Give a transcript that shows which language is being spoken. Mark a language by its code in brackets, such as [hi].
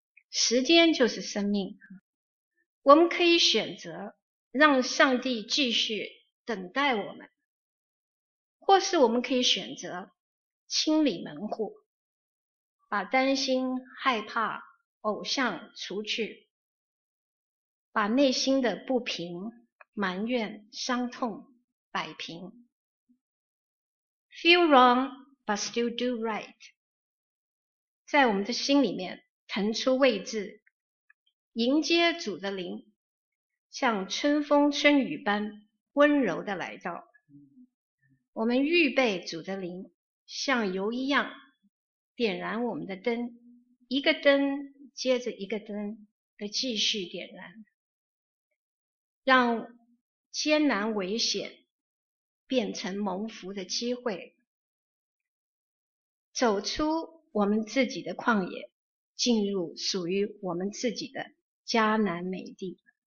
[zh] 时间就是生命，我们可以选择让上帝继续等待我们，或是我们可以选择清理门户，把担心、害怕、偶像除去，把内心的不平、埋怨、伤痛摆平。 [en] Feel wrong, but still do right. [zh] 在我们的心里面腾出位置，迎接主的灵，像春风春雨般温柔地来到。我们预备主的灵，像油一样点燃我们的灯，一个灯接着一个灯的继续点燃，让艰难危险变成蒙福的机会，走出我们自己的旷野，进入属于我们自己的迦南美地。